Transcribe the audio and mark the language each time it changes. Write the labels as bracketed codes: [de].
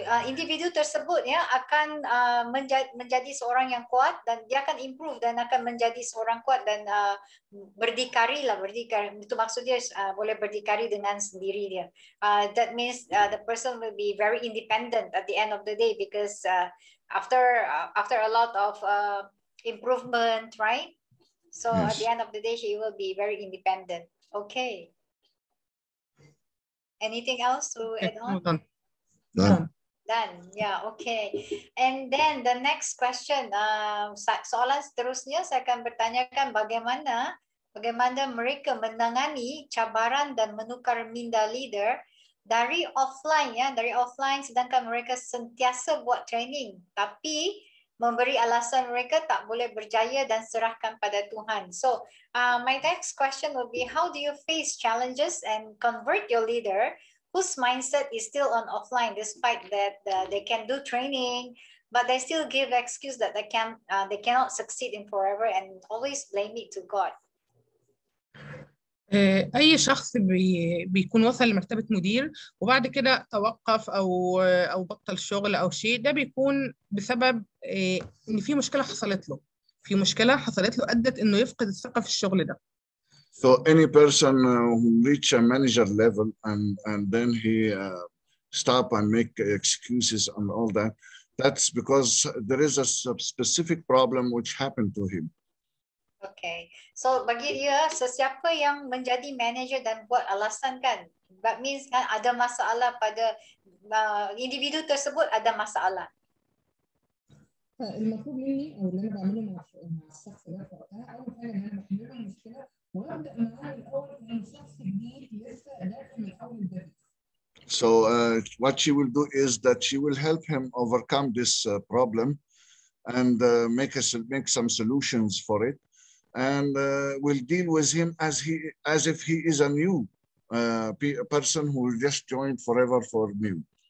[ms] Individu tersebut ya akan menjadi seorang yang kuat dan dia akan improve dan akan menjadi seorang kuat dan berdikari lah, berdikari. Itu maksud dia boleh berdikari dengan sendiri dia. [en] That means the person will be very independent at the end of the day because after a lot of improvement, right? So yes. At the end of the day, he will be very independent. Okay. Anything else to add on? Done. Yeah, okay. And then the next question, [ms] soalan seterusnya saya akan bertanyakan bagaimana mereka menangani cabaran dan menukar minda leader dari offline ya, dari offline sedangkan mereka sentiasa buat training tapi memberi alasan mereka tak boleh berjaya dan serahkan pada Tuhan. [en] So, my next question will be how do you face challenges and convert your leader whose mindset is still on offline despite that they can do training but they still give excuse that they cannot succeed in forever and always blame it to God. [ar] أي شخص بيكون وصل لمرتبة مدير وبعد كده توقف أو بطل شغل أو شيء ده بيكون بسبب إن في مشكلة حصلت له أدت إنه يفقد الثقة في الشغل ده. [en] So any person who reach a manager level and then he stop and make excuses and all that, that's because there is a specific problem which happened to him. [ms] Okay, so bagi dia, sesiapa yang menjadi manager dan buat alasan kan, [en] that means [ms] kan ada masalah pada individu tersebut ada masalah. [ar] المفروض مني أو اللي أنا بعمله مع الشخص ده وقتها أول حاجة إن أنا بحل له المشكلة وأبدأ معاه الأول من شخص جديد لسه داخل من أول البيزنس. [en] So what she will do is that she will help him overcome this problem and make some solutions for it. And we'll deal with him as if he is a new person who just joined forever for new.